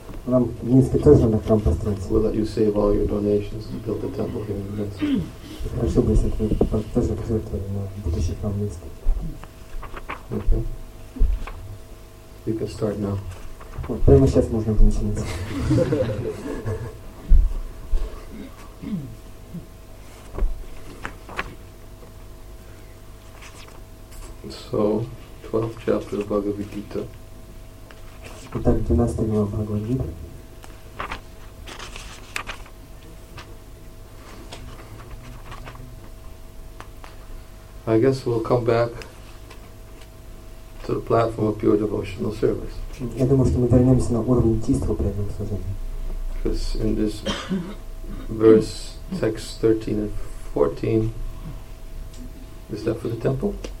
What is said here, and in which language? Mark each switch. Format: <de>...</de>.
<ru>Нам в Минске тоже надо храм построить.</ru> <en>Will that you save all your donations to build a temple here in Minsk?</en> <ru>Хорошо бы, если бы тоже пожертвовали на будущий храм в Минске.</ru> <en>Okay. You can start now.</en> <ru>Вот прямо сейчас можно начинать.</ru> <en>So, 12th chapter of Bhagavad Gita.</en> <ru>Итак, 12 глава Бхагавад Гита.</ru> <en>I guess we'll come back to the platform of pure devotional service.</en> <ru>Я думаю, что мы вернемся на уровень чистого преданного служения.</ru> <en>Because in this verse, text 13 and 14, is that for the temple?</en>